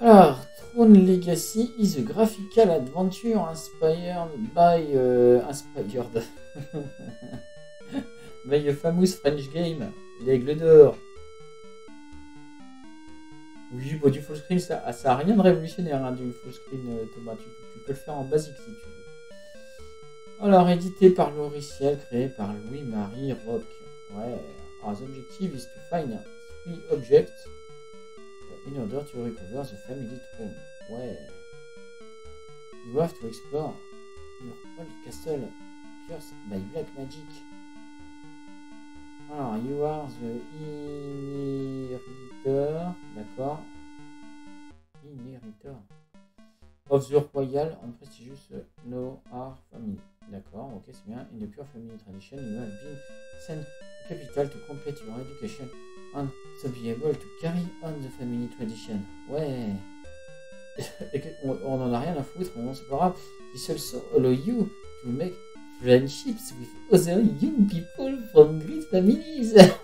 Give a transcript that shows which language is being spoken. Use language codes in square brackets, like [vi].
[en] Alors, Throne Legacy is a graphical adventure inspired by a famous French game, l'Aigle d'Or. [fr] Oui, bon, du full screen, ça a rien de révolutionnaire, hein, du full screen, Thomas. Tu peux le faire en basique si tu veux. Alors, édité par Laurie Ciel, créé par Louis-Marie Roque. Ouais. [en] Our objective is to find three objects in order to recover the family throne. Ouais. You have to explore your old castle cursed by black magic. Alors, you are the inheritor. D'accord. Inheritor. Of the royal and prestigious Noah family. [fr] D'accord, ok, c'est bien. [en] In the pure family tradition, you have been sent to capital to complete your education and to be able to carry on the family tradition. [fr] Ouais. On en a rien à foutre, mais bon, c'est pas grave. [en] This also allows you to make friendships with other young people from great families.